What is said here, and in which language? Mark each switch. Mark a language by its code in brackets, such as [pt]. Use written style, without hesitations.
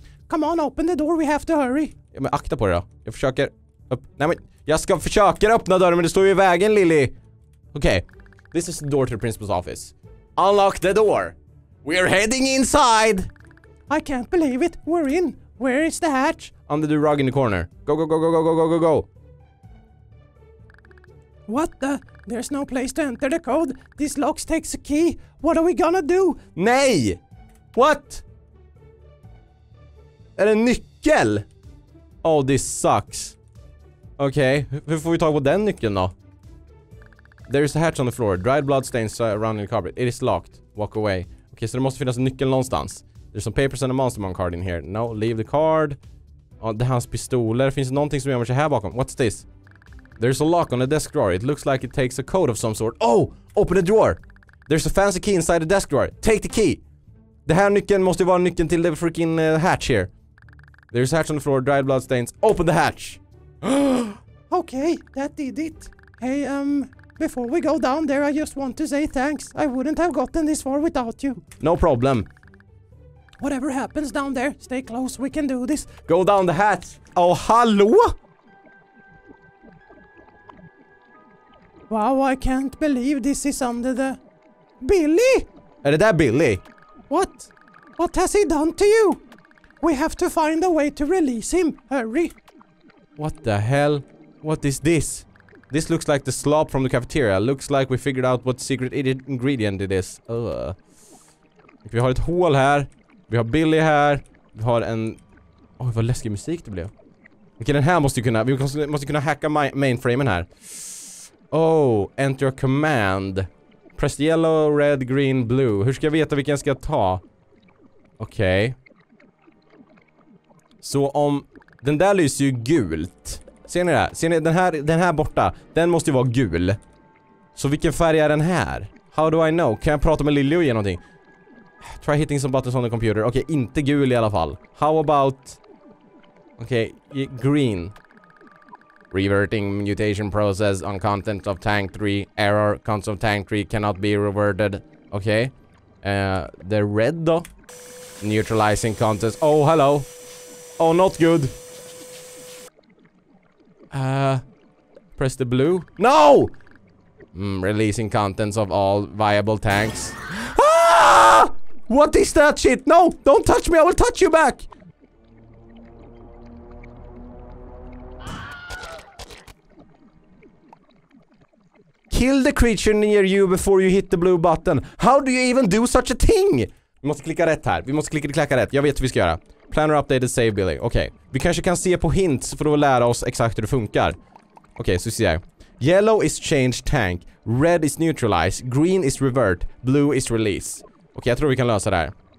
[en] Come on, open the door. We have to hurry. [sv] Ja, men akta på det då. Jag försöker... jag ska försöka öppna dörren, men det står ju i vägen, Lily. [en] Okay. This is the door to the principal's office. Unlock the door. We're heading inside. I can't believe it. We're in. Where is the hatch? Under the rug in the corner. Go, go, go, go, go, go, go, go. What the? There's no place to enter the code. These locks takes a key. What are we gonna do? Nej! What? [sv] Är det en nyckel? [en] Oh, this sucks. [sv] Okej, okay. Hur får vi tag på den nyckeln då? [en] There is a hatch on the floor. Dried bloodstains surrounding the carpet. It is locked. Walk away. [sv] Okej, okay, så det måste finnas en nyckel någonstans. [en] There's some papers and a monster man card in here. No, leave the card. Oh, [sv] det är hans pistoler. Finns det någonting som gör sig här bakom? [en] What's this? There's a lock on the desk drawer. It looks like it takes a code of some sort. Oh, open the drawer. There's a fancy key inside the desk drawer. Take the key. [sv] Det här nyckeln måste ju vara nyckeln till [en] the freaking hatch here. There's a hatch on the floor. Dried bloodstains. Open the hatch. Okay, that did it. Hey, before we go down there, I just want to say thanks. I wouldn't have gotten this far without you. No problem. Whatever happens down there, stay close. We can do this. Go down the hatch. Oh, hallå? Wow, I can't believe this is under the... Billy? [sv] Är det där Billy? [en] What? What has he done to you? We have to find a way to release him. Hurry. What the hell? What is this? This looks like the slop from the cafeteria. Looks like we figured out what secret ingredient it is. [sv] Vi har ett hål här. Vi har Billy här. Vi har en... Oj, vad läskig musik det blev. Okej, den här måste ju kunna... Vi måste kunna hacka mainframen här. [en] Oh, enter a command. Press yellow, red, green, blue. [sv] Hur ska jag veta vilken jag ska ta? Okej. Okay. Så om... Den där lyser ju gult. Ser ni det? Ser ni den här borta? Den måste ju vara gul. Så vilken färg är den här? [en] How do I know? [sv] Kan jag prata med Lily och ge någonting? [en] Try hitting some buttons on the computer. Okej, okay, [sv] inte gul i alla fall. [en] How about... Okej, okay, green. Reverting mutation process on contents of tank 3. Error, contents of tank 3 cannot be reverted. Okej. Okay. The red då? Neutralizing contents. Oh, hello. Oh, not good. Press the blue. No! Releasing contents of all viable tanks. Ah! What is that shit? No! Don't touch me! I will touch you back! Kill the creature near you before you hit the blue button. How do you even do such a thing? [sv] Vi måste klicka rätt här. Vi måste klicka rätt. Jag vet hur vi ska göra. [en] Planner updated save Billy. [sv] Okej. Okay. Vi kanske kan se på hints för att lära oss exakt hur det funkar. Okej, okay, så ser jag. [en] Yellow is change tank. Red is neutralize. Green is revert. Blue is release. [sv] Okej, okay, jag tror vi kan lösa det här.